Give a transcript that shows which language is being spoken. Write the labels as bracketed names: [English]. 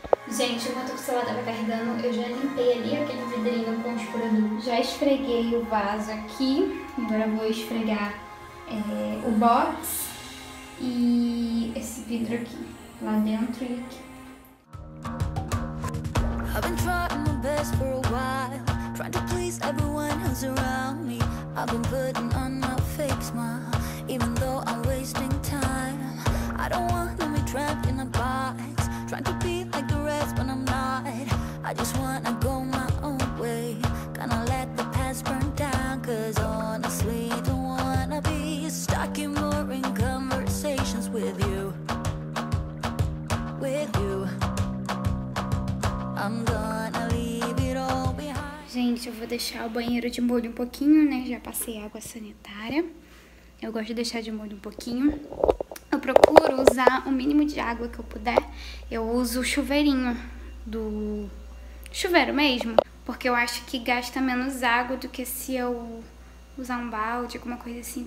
[Portuguese] Gente, enquanto o celular tava carregando, eu já limpei ali aquele vidrinho com escorredor. Já esfreguei o vaso aqui. Agora eu vou esfregar o box e esse vidro aqui, lá dentro e aqui. [English] I've been trying my best for a while, trying to please everyone who's around me. I've been putting on my fake smile, even though I'm wasting time. I don't want to be trapped in a box, trying to be like the rest when I'm not. I just wanna go my own way, gonna let the past burn down. Cause honestly, don't wanna be stuck in boring conversations with you. With you, I'm gonna leave it all behind. [Portuguese] Gente, eu vou deixar o banheiro de molho um pouquinho, né? Já passei água sanitária. Eu gosto de deixar de molho um pouquinho. Eu procuro usar o mínimo de água que eu puder. Eu uso o chuveirinho do chuveiro mesmo, porque eu acho que gasta menos água do que se eu usar um balde, alguma coisa assim.